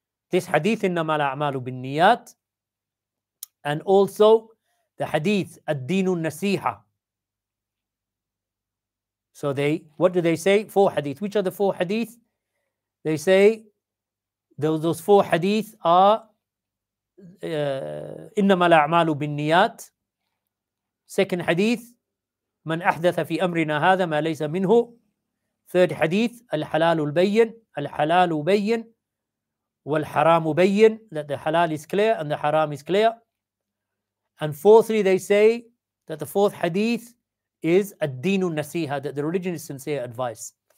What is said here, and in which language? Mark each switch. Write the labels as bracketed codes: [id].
[en] This hadith, [ar] إِنَّمَا الْأَعْمَالُ بِالنِّيَّاتِ, [en] and also the hadith, [ar] الدِّينُ النَّسِيحَ. [en] So they, what do they say? Four hadith. Which are the four hadith? They say those four hadith are [ar] إِنَّمَا الْأَعْمَالُ بِالنِّيَّاتِ. [en] Second hadith, [ar] مَنْ أَحْدَثَ فِي أَمْرِنَا هَذَا مَا لَيْسَ مِنْهُ. [en] Third hadith, [ar] الحلال البين, الحلال بين والحرام بين, [en] that the halal is clear and the haram is clear. And fourthly, they say that the fourth hadith is [ar] الدين النسيحة, [en] that the religion is sincere advice.